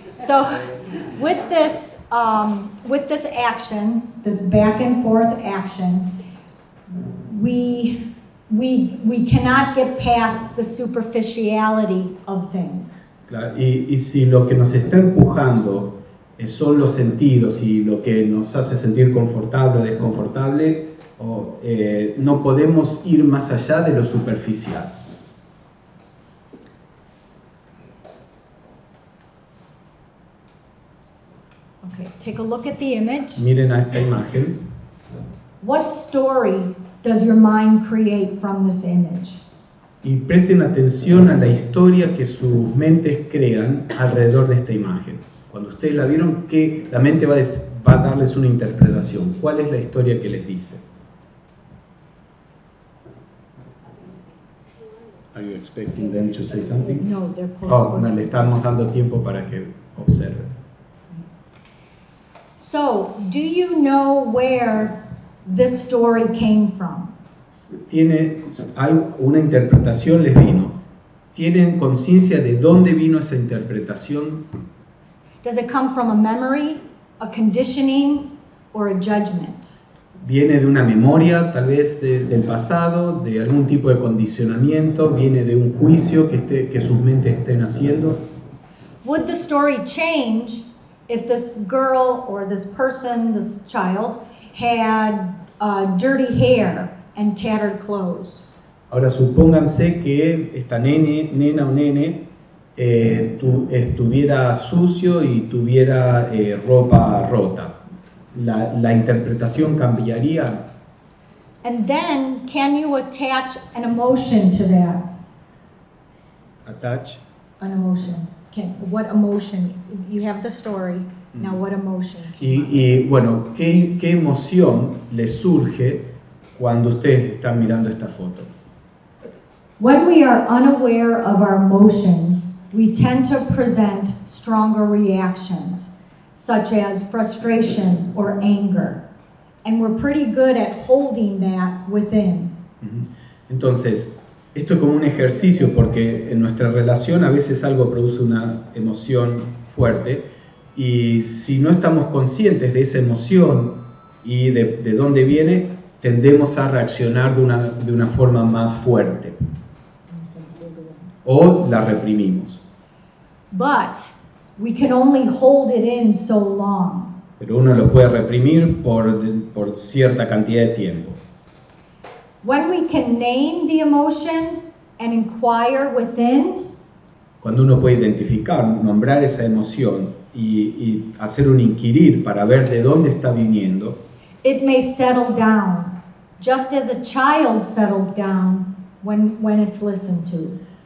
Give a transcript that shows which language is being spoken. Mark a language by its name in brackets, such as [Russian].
[English] So with this action, this back and forth action, we cannot get past the superficiality of things. [Spanish] Claro, y si lo que nos está empujando son los sentidos y lo que nos hace sentir confortable o desconfortable, no podemos ir más allá de lo superficial. [English] Okay, take a look at the image. [Spanish] Miren a esta imagen. [English] What story does your mind create from this image? [Spanish] Y presten atención a la historia que sus mentes crean alrededor de esta imagen. Cuando ustedes la vieron, que la mente va a darles una interpretación. ¿Cuál es la historia que les dice? [English] Are you expecting them to say something? No, they're close. [Spanish] Oh, no, le estamos dando tiempo para que observen. [English] So, do you know where this story came from? [Spanish] Tiene una interpretación les vino. ¿Tienen conciencia de dónde vino esa interpretación? [English] Does it come from a memory, a conditioning, or a judgment? [Spanish] ¿Viene de una memoria, tal vez del pasado, de algún tipo de condicionamiento, viene de un juicio que sus mentes estén haciendo? [English] Would the story change if this girl or this person, this child, had dirty hair and tattered clothes? [Spanish] Ahora supónganse que esta nena o nene estuviera sucio y tuviera ropa rota. La interpretación cambiaría. [English] And then, can you attach an emotion to that? Attach? An emotion. What emotion? You have the story. Now, what emotion? [Spanish] Y bueno, ¿qué emoción le surge cuando ustedes están mirando esta foto? [English] When we are unaware of our emotions, we tend to present stronger reactions, such as frustration or anger. And we're pretty good at holding that within. [Spanish] Entonces, esto es como un ejercicio, porque en nuestra relación a veces algo produce una emoción fuerte. Y si no estamos conscientes de esa emoción y de dónde viene, tendemos a reaccionar de una forma más fuerte. O la reprimimos. [English] But we can only hold it in so long. [Spanish] Pero uno lo puede reprimir por cierta cantidad de tiempo. [English] When we can name the emotion and inquire within, [Spanish] cuando uno puede identificar, nombrar esa emoción y hacer un inquirir para ver de dónde está viniendo, [English] it may settle down, just as a child settles down when it's listened to.